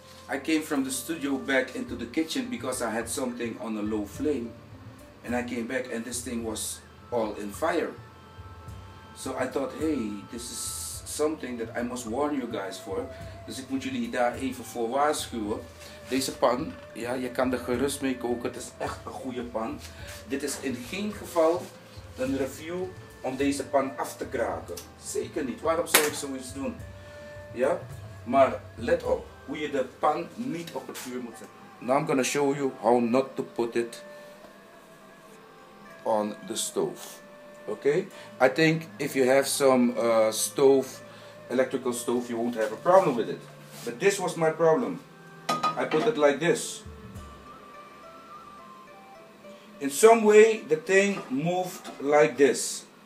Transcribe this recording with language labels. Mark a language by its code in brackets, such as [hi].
[en] I came from the studio back into the kitchen because I had something on a low flame. And I came back and this thing was all in fire. So I thought, hey, this is something that I must warn you guys for. [nl] Dus ik moet jullie daar even voor waarschuwen. Deze pan, ja, je kan er gerust mee koken. Het is echt een goede pan. Dit is in geen geval een review om deze pan af te kraken. Zeker niet. Waarom zou ik zoiets doen? Ja, maar let op hoe je de pan niet op het vuur moet zetten. [en] Now I'm gonna show you how not to put it on the stove. Okay, I think if you have some stove, electrical stove, you won't have a problem with it. But this was my problem. I put it like this. In some way, the thing moved like this.